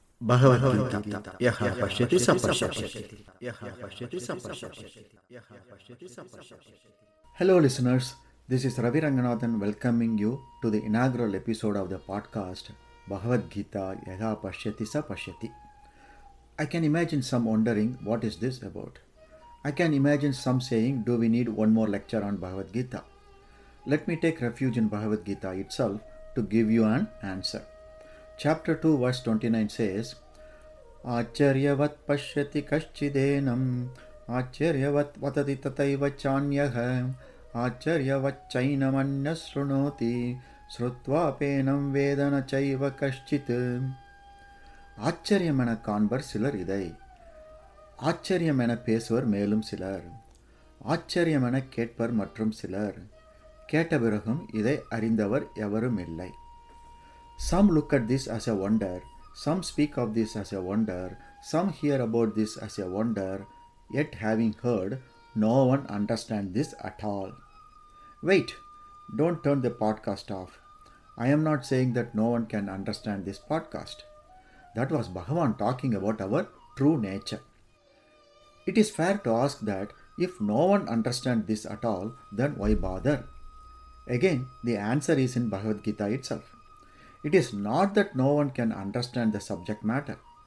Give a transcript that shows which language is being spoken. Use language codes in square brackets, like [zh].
[sa] भगवद् गीता यः पश्यति स पश्यति, यः पश्यति स पश्यति, यः पश्यति स पश्यति। [en] hello listeners, this is Ravi Ranganathan welcoming you to the inaugural episode of the podcast [sa] Bhagavad Gita यः पश्यति स पश्यति। [en] I can imagine some wondering, what is this about? I can imagine some saying, do we need one more lecture on Bhagavad Gita? Let me take refuge in Bhagavad Gita itself to give you an answer. Chapter 2, verse 29 says, [sa] Acharyavat pashyati kashchidenam, Acharyavat vatati tataiva chanyah, Acharyavat chainam anyasrunoti, Srutvapenam vedana chaiva kashchit. [ta] ஆச்சரியம் என காண்பர் சிலர் இதை, ஆச்சரியம் என பேசுவர் மேலும் சிலர், ஆச்சரியம் என கேட்பர் மற்றும் சிலர், கேட்ட பிறகும் இதை அறிந்தவர் எவரும் இல்லை. [en] Some look at this as a wonder, some speak of this as a wonder, some hear about this as a wonder, yet having heard no one understand this at all. Wait, don't turn the podcast off. I am not saying that no one can understand this podcast. That was Bhagavan talking about our true nature. It is fair to ask that if no one understands this at all, then why bother? Again, the answer is in Bhagavad Gita itself. It is not that no one can understand the subject matter.